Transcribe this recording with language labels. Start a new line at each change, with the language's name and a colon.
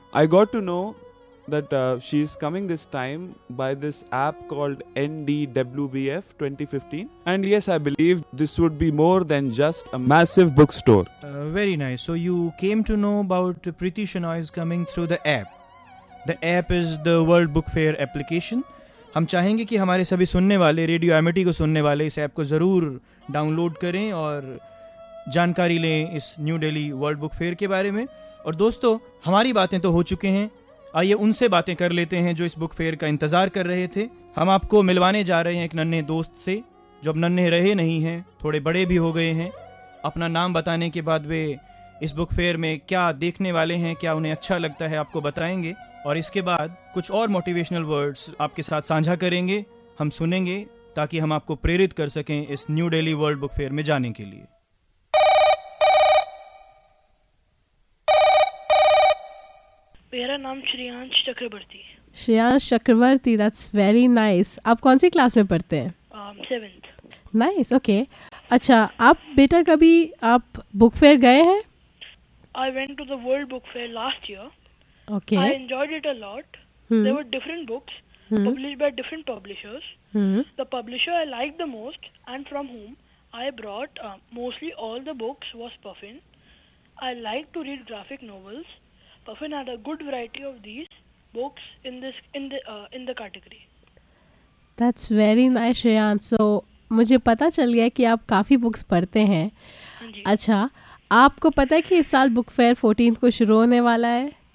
English: I got to know that she is coming this time by this app called NDWBF 2015, and yes I believe this would be more than just a massive book store. Very nice, so you came to know about Preeti Shenoy is coming through the app. The app is the World Book Fair application.
Hindi: हम चाहेंगे कि हमारे सभी सुनने वाले, radio Amity को सुनने वाले, इस ऐप को ज़रूर डाउनलोड करें और जानकारी लें इस new Delhi world book fair के बारे में। और दोस्तों, हमारी बातें तो हो चुके हैं, आइए उनसे बातें कर लेते हैं जो इस बुक फेयर का इंतज़ार कर रहे थे। हम आपको मिलवाने जा रहे हैं एक नन्हे दोस्त से, जो अब नन्हे रहे नहीं हैं, थोड़े बड़े भी हो गए हैं। अपना नाम बताने के बाद वे इस बुक फेयर में क्या देखने वाले हैं, क्या उन्हें अच्छा लगता है, आपको बताएंगे। और इसके बाद कुछ और
English: motivational words
Hindi: आपके साथ साझा करेंगे, हम सुनेंगे, ताकि हम आपको प्रेरित कर सकें इस new Delhi world book fair में जाने के लिए। मेरा नाम श्रियांश चक्रवर्ती। श्रियांश चक्रवर्ती,
English: That's very nice.
Hindi: आप कौन सी क्लास में पढ़ते हैं?
English: Seventh. Nice, okay.
Hindi: अच्छा, आप बेटा कभी आप बुक फेयर गए हैं?
English: I went to the world book fair last year. Okay. I enjoyed it a lot. Hmm. There were different books published by different publishers. The publisher I liked the most and from whom I brought mostly all the books was Puffin. I like to read graphic novels. Puffin had a good variety of these books in the category. That's very nice, Shreyans.
Hindi: So, मुझे पता चल गया कि आप काफी books पढ़ते हैं। अच्छा, आपको पता है कि इस साल book fair 14th को शुरू होने वाला है?